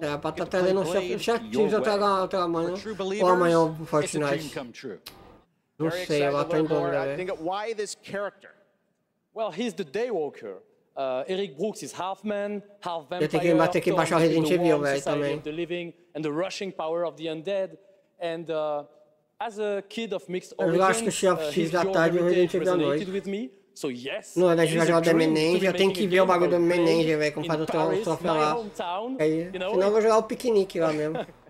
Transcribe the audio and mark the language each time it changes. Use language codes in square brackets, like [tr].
[pt] é, pra tá tendo chatinhos outra amanhã. Ou amanhã o Fortnite. Não sei, ela tá em dúvida, velho. [en] Why this character? Well, he's the Daywalker. Eric Brooks is half man, half vampire. [pt] Eu tenho que baixar o Resident Evil, velho, também. [en] The living and the rushing power of the undead, and as a kid of mixed origins, [pt] eu acho que o Chief X da tarde e o Resident Evil da noite. [en] So, yes, [pt] não, na verdade, eu vou jogar o Menenge, eu tenho que ver o bagulho do Menenge, velho, como faz o troféu lá. Aí, senão eu vou jogar o piquenique lá mesmo.